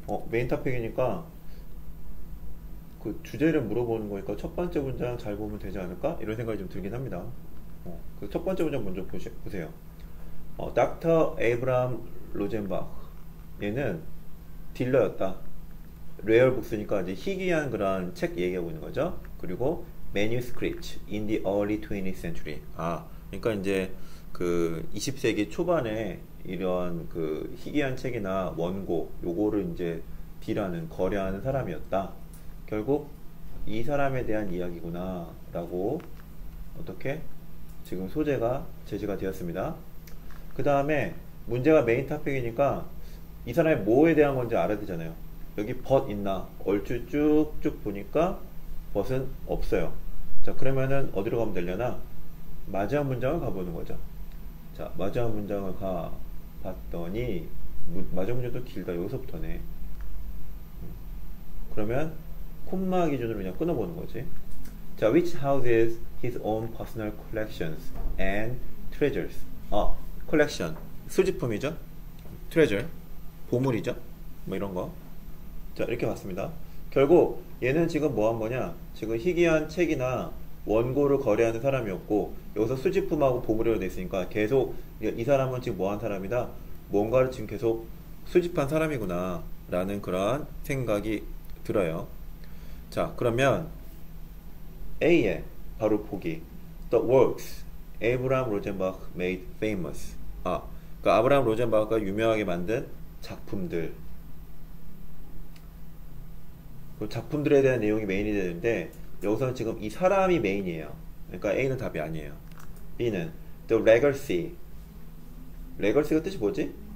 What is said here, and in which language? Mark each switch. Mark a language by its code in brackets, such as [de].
[ko] 메인 토픽이니까 그 주제를 물어보는 거니까 첫 번째 문장 잘 보면 되지 않을까? 이런 생각이 좀 들긴 합니다. 그첫 번째 문장 먼저 보세요. 닥터 에이브람 로젠바흐. 얘는 딜러였다. 레어북스니까 이제 희귀한 그런 책 얘기하고 있는 거죠. 그리고 매뉴스크립트 [en] in the early 20th century. [ko] 그러니까 이제 그 20세기 초반에 이러한 그 희귀한 책이나 원고 요거를 이제 딜하는 거래하는 사람이었다. 결국 이 사람에 대한 이야기구나라고 어떻게 지금 소재가 제시가 되었습니다. 그 다음에 문제가 메인 토픽이니까 이 사람이 뭐에 대한 건지 알아야 되잖아요. 여기 but 있나? 얼추 쭉쭉 보니까 but은 없어요. 자, 그러면은 어디로 가면 되려나? 마지막 문장을 가보는 거죠. 자, 마지막 문장을 가봤더니, 마지막 문장도 길다. 여기서부터네. 그러면, 콤마 기준으로 그냥 끊어보는 거지. [en] 자, which houses his own personal collections and treasures? [ko] collection. 수집품이죠? treasure. 보물이죠? 뭐 이런 거. 자, 이렇게 봤습니다. 결국, 얘는 지금 뭐한 거냐? 지금 희귀한 책이나 원고를 거래하는 사람이었고, 여기서 수집품하고 보물이라고 되어 있으니까 계속, 이 사람은 지금 뭐한 사람이다? 뭔가를 지금 계속 수집한 사람이구나. 라는 그런 생각이 들어요. 자, 그러면 A의 바로 보기. [en] The works Abraham Rosenbach made famous. [ko] 그 아브라함 로젠바흐가 유명하게 만든 작품들. 그 작품들에 대한 내용이 메인이 되는데, 여기서는 지금 이 사람이 메인이에요. 그러니까 A는 답이 아니에요. B는 The Legacy. Legacy가 뜻이 뭐지?